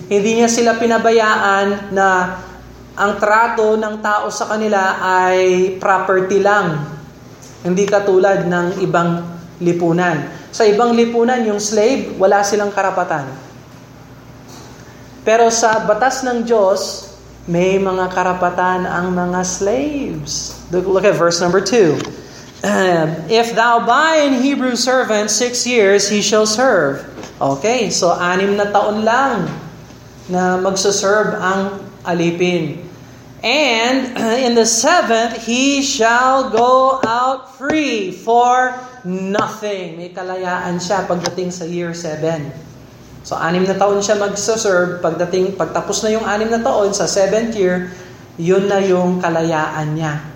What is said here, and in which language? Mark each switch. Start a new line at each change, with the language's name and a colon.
Filipino: Hindi niya sila pinabayaan na ang trato ng tao sa kanila ay property lang. Hindi katulad ng ibang lipunan. Sa ibang lipunan, yung slave, wala silang karapatan. Pero sa batas ng Diyos, may mga karapatan ang mga slaves.
English: Look at verse number 2. If thou buy an Hebrew servant 6 years, he shall serve.
Filipino: Okay, so 6 na taon lang na magsaserve ang alipin.
English: And in the 7th, he shall go out free for nothing.
Filipino: May kalayaan siya pagdating sa year 7. So 6 na taon siya magsaserve. Pagdating, pagtapos na yung 6 na taon sa 7th year, yun na yung kalayaan niya.